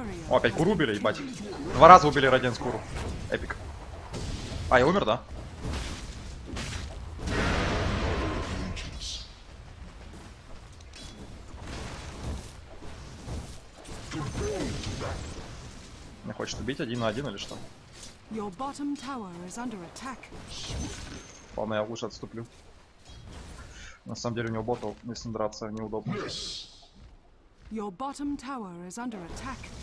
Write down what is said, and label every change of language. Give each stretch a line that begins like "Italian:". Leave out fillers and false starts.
Russian: О, опять Куру убили, ебать. Два раза убили Радиант Куру. Эпик. А, я умер, да? Не хочет убить один на один или что?
English: Your bottom tower is under attack.
Russian: Ладно, я лучше отступлю. На самом деле у него ботов, если драться, неудобно.
English: Your bottom tower is under attack.